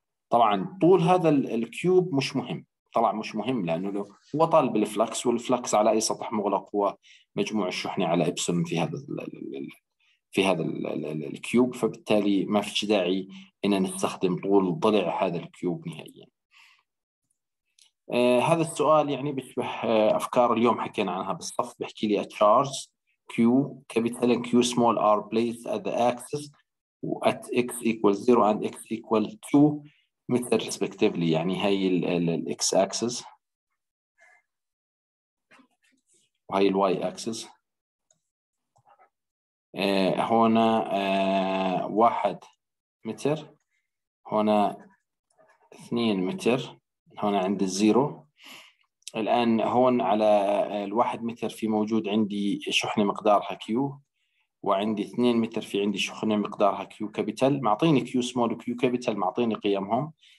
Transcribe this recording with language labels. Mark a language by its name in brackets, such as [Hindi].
[Arabic] طبعا طول هذا الكيوب مش مهم، طلع مش مهم لأنه هو طالب الفلكس، والفلكس على أي سطح مغلق هو مجموع الشحنة على إبسون في هذا الكيوب، فبالتالي ما فيش داعي إن نستخدم طول ضلع هذا الكيوب نهائيا. هذا السؤال يعني بيشبه أفكار اليوم حكينا عنها بالصف، بحكي لي [English] charge Q capital Q small r placed at the axis at x equal 0 and x equal 2 مثل respectively، [Arabic] يعني هاي ال [English] x axis [Arabic] وهي ال [English] y axis. [Arabic] هنا 1 متر، هنا 2 متر، هنا عند الزيرو. الآن هون على 1 متر في موجود عندي شحنة مقدارها كيو، وعندي 2 متر في عندي شحنة مقدارها كيو كابيتال، معطيني كيو سمول وكيو كابيتال، معطيني قيمهم.